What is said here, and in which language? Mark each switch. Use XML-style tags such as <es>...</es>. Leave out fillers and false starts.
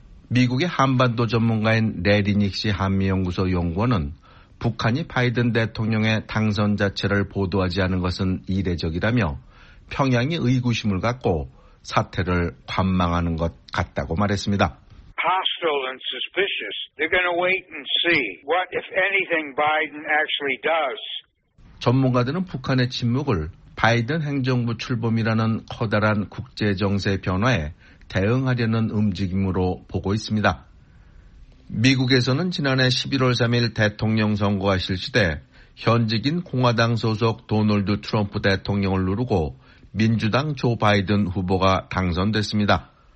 <ko>미국의 한반도 전문가인 레리닉시 한미연구소 연구원은 북한이 바이든 대통령의 당선 자체를 보도하지 않은 것은 이례적이라며 평양이 의구심을 갖고 사태를 관망하는 것 같다고 말했습니다.</ko> <en>Hostile and suspicious. They're going to wait and see what, if anything, Biden actually does.</en> <ko>전문가들은 북한의 침묵을 바이든 행정부 출범이라는 커다란 국제정세 변화에 대응하려는 움직임으로 보고 있습니다. 미국에서는 지난해 11월 3일 대통령 선거가 실시돼 현직인 공화당 소속 도널드 트럼프 대통령을 누르고 민주당 조 바이든 후보가 당선됐습니다.</ko>